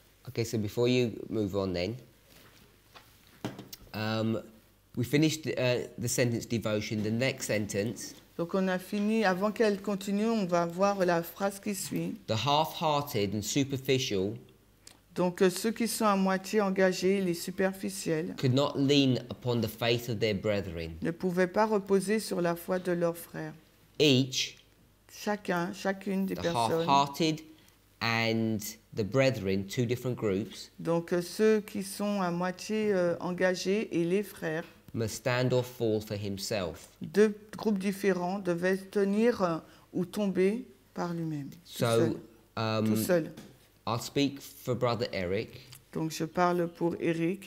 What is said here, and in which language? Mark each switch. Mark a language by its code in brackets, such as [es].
[en] Okay, so before you move on then, we finished the sentence devotion, the next sentence. [fr] Donc on a fini, avant qu'elle continue, on va voir la phrase qui suit. [en] The half-hearted and superficial. [fr] Donc ceux qui sont à moitié engagés, les superficiels, [en] could not lean upon the faith of their brethren. [fr] Ne pouvaient pas reposer sur la foi de leurs frères. [en] Each, [fr] chacun, chacune des [en] the [fr] personnes. [en] The half-hearted and the brethren, two different groups. [fr] Donc ceux qui sont à moitié engagés et les frères. [en] Must stand or fall for himself. [fr] Deux groupes différents devaient tenir ou tomber par lui-même. [en] So, [fr] tout seul. [en] I'll speak for Brother Eric. [fr] Donc je parle pour Eric.